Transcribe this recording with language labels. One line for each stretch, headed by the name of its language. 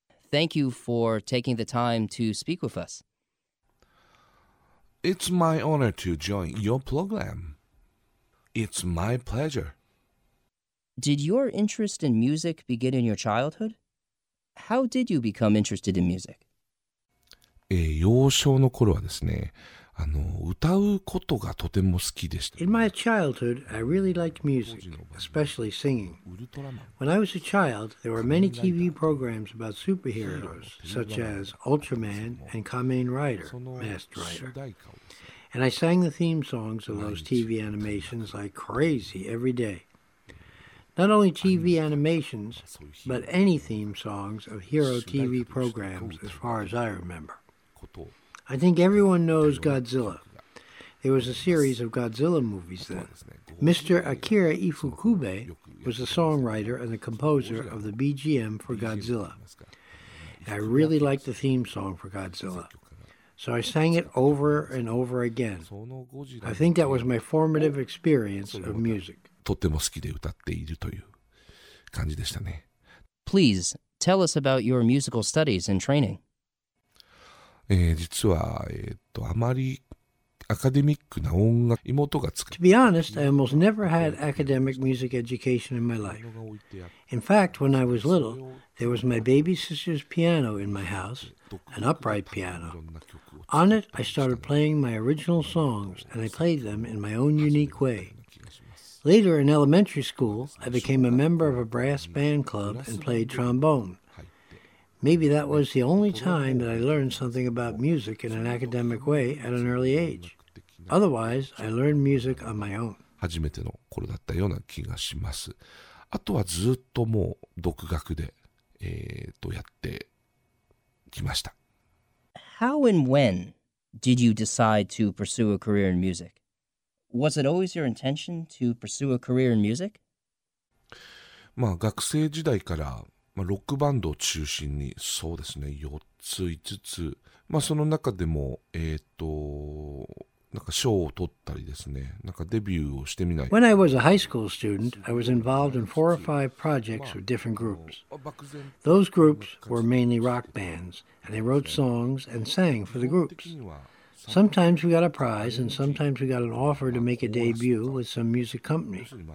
English: Thank you for taking the time to speak with us. It's my honor to join your program. It's my pleasure. Did your interest in music begin in your childhood? How did you become interested in music?
Japanese: 幼少の頃はですね、あの、歌うことがとても好きでした。
English: In my childhood, I really liked music, especially singing. When I was a child, there were many TV programs about superheroes, such as Ultraman and Kamen Rider, Masked Rider. And I sang the theme songs of those TV animations like crazy every day. Not only TV animations, but any theme songs of hero TV programs, as far as I remember. I think everyone knows Godzilla. There was a series of Godzilla movies then. Mr. Akira Ifukube was the songwriter and the composer of the BGM for Godzilla. And I really liked the theme song for Godzilla. So I sang it over and over again. I think that was my formative experience of music.
Japanese: とても好きで歌っているという感じでしたね。
English: Please, tell us about your musical studies and training.
Japanese: 実は、あまりアカデミックな音楽、妹が作った
English: 。To be honest, I almost never had academic music education in my life. In fact, when I was little, there was my baby sister's piano in my house, an upright piano. On it, I started playing my original songs, and I played them in my own unique way. Later, in elementary school, I became a member of a brass band club and played trombone. Maybe that was the only time that I learned something about music in an academic way at an early age. Otherwise, I learned music on my own.
Japanese: 初めての頃だったような気がします。あとはずっともう独学で、やってきました。
English: How and when did you decide to pursue a career in music? Was it always your intention to pursue a career in music?
Japanese: まあ学生時代からまあ、ロックバンドを中心にそうですね4つ5つ、まあ、その中でもなんか賞を取ったりですねなんかデビューをしてみない
English: When I was a high school student, I was involved in 4 or 5 projects with different groups. Those groups were mainly rock bands, and they wrote songs and sang for the groups. Sometimes we got a prize, and sometimes we got an offer to make a debut with some music company.